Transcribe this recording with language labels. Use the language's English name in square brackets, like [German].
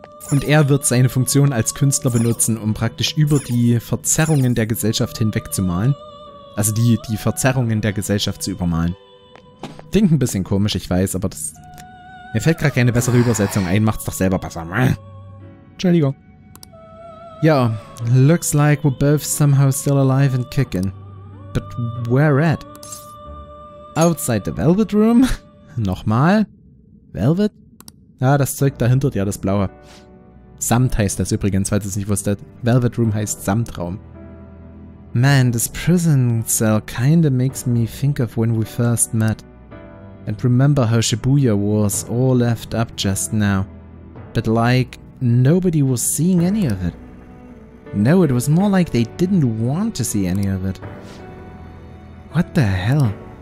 [German] Und er wird seine Funktion als Künstler benutzen, um praktisch über die Verzerrungen der Gesellschaft hinwegzumalen. Also die Verzerrungen der Gesellschaft zu übermalen. Klingt ein bisschen komisch, ich weiß, aber das... Mir fällt gerade keine bessere Übersetzung ein, macht's doch selber besser. Entschuldigung. [English] Ja, looks like we're both somehow still alive and kicking. But where at? Outside the Velvet Room? [German] Nochmal? [English] Velvet? [German] Ah, das Zeug dahinter, ja, das Blaue. Samt heißt das übrigens, falls ihr es nicht wusstet. Velvet Room heißt Samtraum. [English] Man, this prison cell kinda makes me think of when we first met. And remember how Shibuya was all left up just now. But like, nobody was seeing any of it. No, it was more like they didn't want to see any of it. What the hell?